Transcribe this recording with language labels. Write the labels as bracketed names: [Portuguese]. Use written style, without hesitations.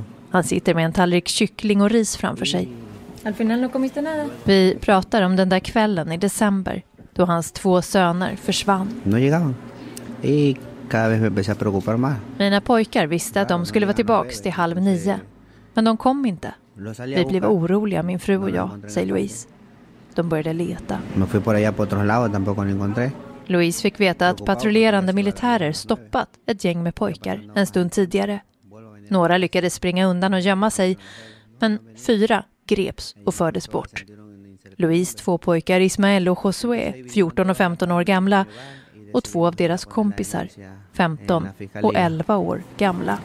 [Swedish] Han sitter med en tallrik kyckling och ris framför sig. [Spanish] Al final no comiste nada. [Swedish] Vi pratar om den där kvällen i december då hans två söner försvann. [Spanish] No llegaban. Y cada vez me empecé a preocupar más. [Swedish] Mina pojkar visste att de skulle vara tillbaka till 8:30. Men de kom inte. Vi blev oroliga, min fru och jag, säger Louise. De började leta. [Spanish] Me fui por allá por otro lado, tampoco lo encontré. [Swedish] Louise fick veta att patrullerande militärer stoppat ett gäng med pojkar en stund tidigare. Några lyckades springa undan och gömma sig, men fyra greps och fördes bort. Louise, två pojkar, Ismael och Josué, 14 och 15 år gamla, och två av deras kompisar, 15 och 11 år gamla.